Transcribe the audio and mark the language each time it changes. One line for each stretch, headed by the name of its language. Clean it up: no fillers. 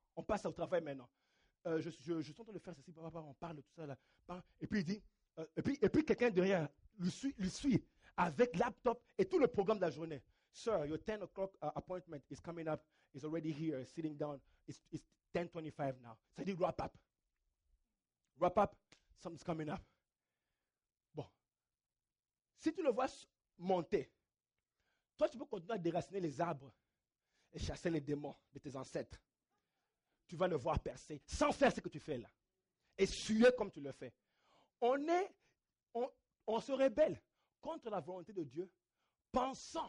French: On passe au travail maintenant. Je suis en train de faire ceci. On parle tout ça là. Et puis il dit, et puis quelqu'un derrière lui suit avec laptop et tout le programme de la journée.
English: Sir, your 10 o'clock appointment is coming up. It's already here, sitting down. It's 10:25 now.
French: Ça dit
English: wrap up. Wrap up, something's coming up.
French: Bon. Si tu le vois monter, toi tu peux continuer à déraciner les arbres et chasser les démons de tes ancêtres. Tu vas le voir percer sans faire ce que tu fais là. Et suer comme tu le fais. On se rébelle contre la volonté de Dieu, pensant.